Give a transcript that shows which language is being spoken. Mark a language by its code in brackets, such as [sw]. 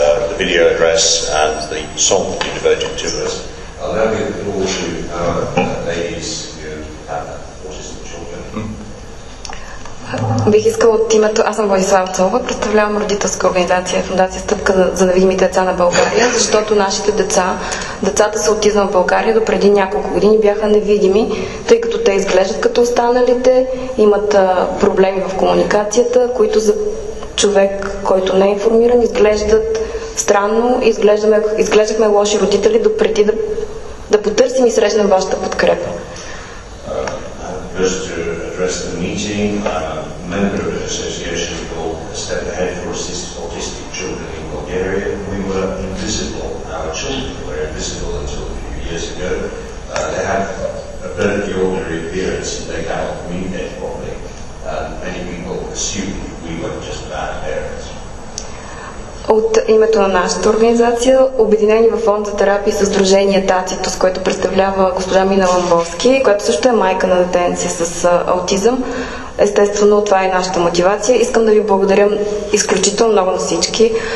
[en] The video address and the song you devoted to us. I'll now give the call to our ladies who have autism children. [bg] Бих искала от името, аз съм Владислава Цолова, представлявам родителска организация, фондация Стъпка за невидимите деца на България, защото нашите децата с аутизъм в България до преди няколко години бяха невидими, тъй като те изглеждат като останалите, имат проблеми в комуникацията, които за човек, който не е информиран, изглеждат странно, изглеждахме лоши родители до преди да потърсим и срещнем вашата подкрепа. [en] Address the meeting. I'm a member of an association called Step Ahead for Autistic Children in Bulgaria. We were invisible. Our children were invisible until a few years ago. They have a perfectly ordinary appearance and they cannot communicate properly. Many people assume we were just bad parents. [bg] От името на нашата организация, обединени във фонд за терапия с сдружение Татито, с което представлява госпожа Мина Ламбовски, която също е майка на детенце с аутизъм. Естествено, това е нашата мотивация. Искам да ви благодаря изключително много на всички.